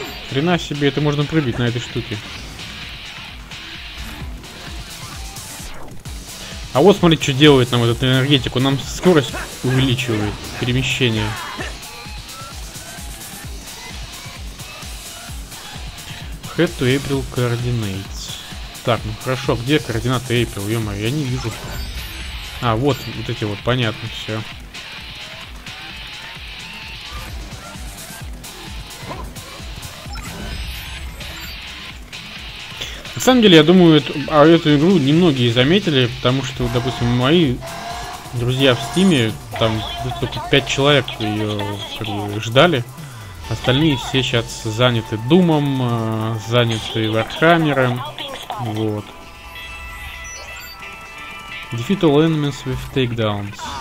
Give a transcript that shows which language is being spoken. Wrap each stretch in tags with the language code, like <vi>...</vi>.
<ru>Хрена себе, это можно прыгать на этой штуке. А вот смотри, что делает нам этот энергетик. Он нам скорость увеличивает, перемещение.</ru> <en>Head to April Coordinates.</en> <ru>Так, ну хорошо, где координаты April? Ё-моё, я не вижу. А, вот, вот эти вот, понятно, все. На самом деле, я думаю, эту игру немногие заметили, потому что, допустим, мои друзья в Стиме, там только 5 человек ее как бы, ждали. Остальные все сейчас заняты Думом, заняты Вархаммером, вот.</ru> <en>Defeat all enemies with takedowns.</en>